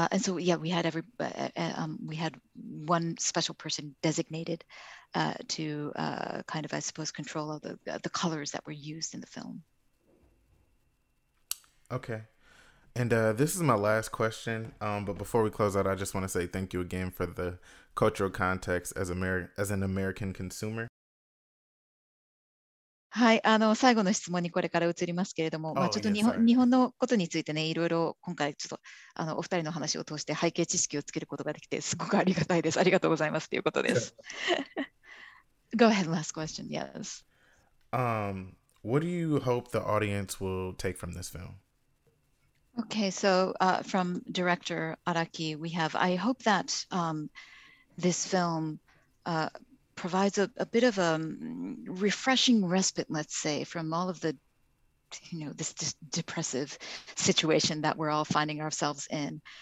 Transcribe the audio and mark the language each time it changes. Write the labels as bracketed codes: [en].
[en] We had one special person designated to control all the colors that were used in the film. Okay. And this is my last question. But before we close out, I just want to say thank you again for the cultural context as an American consumer. [ja] はい、最後の質問にこれから移りますけれども、まあ、ちょっと日本のことについてね、いろいろ今回ちょっとお二人の話を通して背景知識をつけることができてすごくありがたいです。ありがとうございますということです。 [en] Go ahead, last question. Yes. What do you hope the audience will take from this film? Okay, so from director Araki, we have, I hope that this film provides a bit of a refreshing respite, let's say, from all of the, you know, this depressive situation that we're all finding ourselves in.